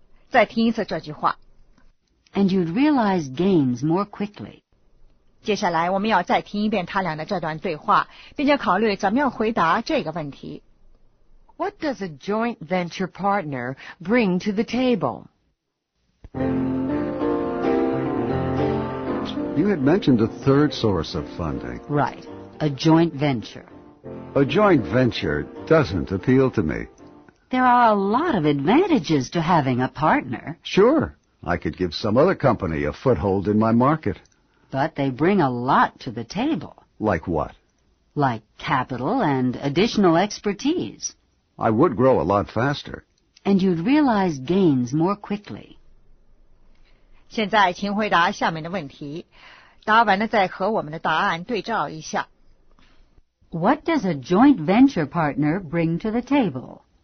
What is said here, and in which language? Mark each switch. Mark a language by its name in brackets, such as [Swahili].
[Chinese] 再听一次这句话。 [English] And you'd realize gains more quickly. [Chinese] 接下来我们要再听一遍他俩的这段对话，并且考虑怎么样回答这个问题。 [English] What does a joint venture partner bring to the table? You had mentioned a third source of funding. Right, a joint venture. A joint venture doesn't appeal to me. There are a lot of advantages to having a partner. Sure, I could give some other company a foothold in my market. But they bring a lot to the table. Like what? Like capital and additional expertise. I would grow a lot faster. And you'd realize gains more quickly. [Chinese] 现在请回答下面的问题，答完了再和我们的答案对照一下。 [English] What does a joint venture partner bring to the table?